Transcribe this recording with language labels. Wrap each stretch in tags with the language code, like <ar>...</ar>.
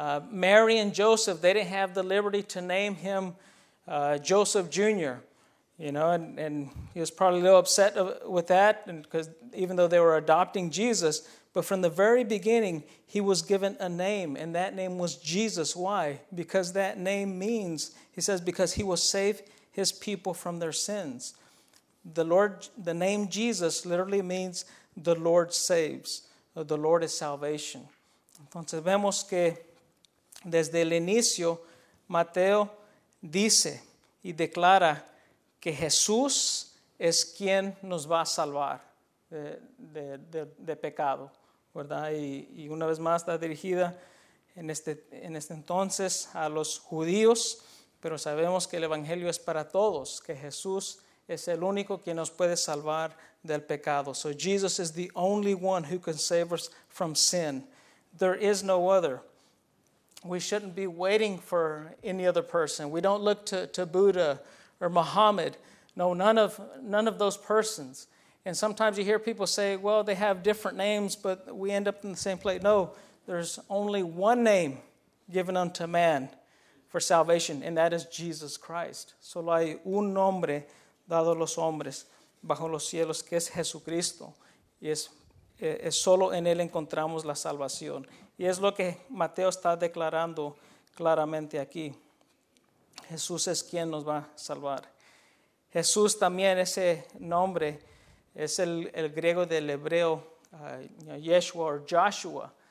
<en>Mary and Joseph, they didn't have the liberty to name him Joseph Jr., you know, and he was probably a little upset with that, because even though they were adopting Jesus, but from the very beginning, he was given a name, and that name was Jesus. Why? Because that name means, he says, because he will save his people from their sins. The name Jesus literally means the Lord saves, or the Lord is salvation.</en> <es>Entonces vemos que desde el inicio, Mateo dice y declara que Jesús es quien nos va a salvar de pecado, ¿verdad? Y una vez más está dirigida en este entonces a los judíos, pero sabemos que el Evangelio es para todos, que Jesús es el único quien nos puede salvar del pecado.</es> <en>So Jesus is the only one who can save us from sin. There is no other. We shouldn't be waiting for any other person. We don't look to Buddha or Muhammad. No, none of those persons. And sometimes you hear people say, well, they have different names, but we end up in the same place. No, there's only one name given unto man for salvation, and that is Jesus Christ.</en> <es>Solo hay un nombre dado a los hombres bajo los cielos, que es Jesucristo. Y es solo en él encontramos la salvación. Y es lo que Mateo está declarando claramente aquí. Jesús es quien nos va a salvar. Jesús también, ese nombre, es el griego del hebreo, Yeshua o Joshua.</es>